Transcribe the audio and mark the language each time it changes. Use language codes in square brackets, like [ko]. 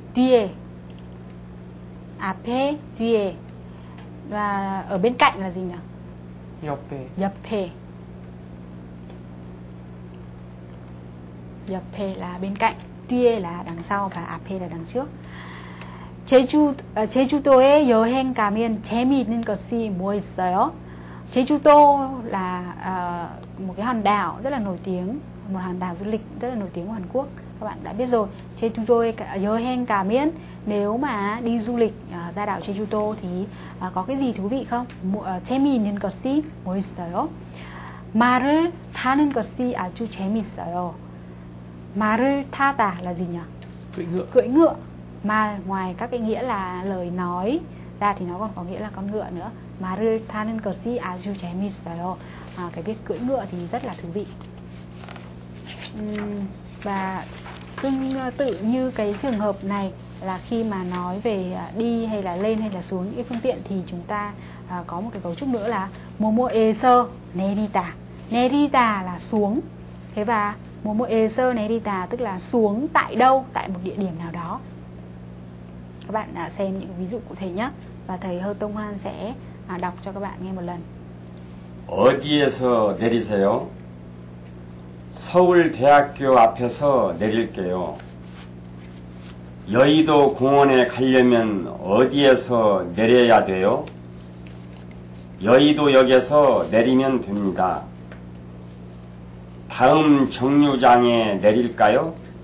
[ko] 뒤에. 앞에, 뒤에. [vi] Và ở bên cạnh là gì nhỉ? [ko] 옆에. 옆에. [vi] 옆에 là bên cạnh, 뒤에 là đằng sau và 앞에 là đằng trước. [ko] 제주도에 여행 가면 재미있는 것이 뭐 있어요? [vi] 제주도 là một cái hòn đảo rất là nổi tiếng, một hòn đảo du lịch rất là nổi tiếng của Hàn Quốc. Các bạn đã biết rồi, [ko] 제주도에 여행 가면 [vi] nếu mà đi du lịch ra đảo 제주도 thì có cái gì thú vị không? [ko] 재미있는 것이 뭐 있어요? 말을 타는 것이 아주 재미있어요. [vi] 말을 타다 là gì nhỉ? Cưỡi ngựa. Cưỡi ngựa. Mà ngoài các cái nghĩa là lời nói ra thì nó còn có nghĩa là con ngựa nữa. [ko] 말을 타는 것이 아주 재미있어요. [vi] Cái việc cưỡi ngựa thì rất là thú vị. Và tương tự như cái trường hợp này là khi mà nói về đi hay là lên hay là xuống cái phương tiện thì chúng ta có một cái cấu trúc nữa là [ko] 뭐뭐에서 내리다. [vi] 내리다 là xuống. Thế và [ko] 뭐뭐에서 내리다 [vi] tức là xuống tại đâu, tại một địa điểm nào đó. Các bạn đã xem những ví dụ cụ thể nhé. Và thầy Hơ Tông Hoan sẽ đọc cho các bạn nghe một lần. [ko] 어디에서 내리세요? 서울대학교 앞에서 내릴게요. 여의도 공원에 가려면 어디에서 내려야 돼요? 여의도역에서 내리면 됩니다. 다음 정류장에 내릴까요?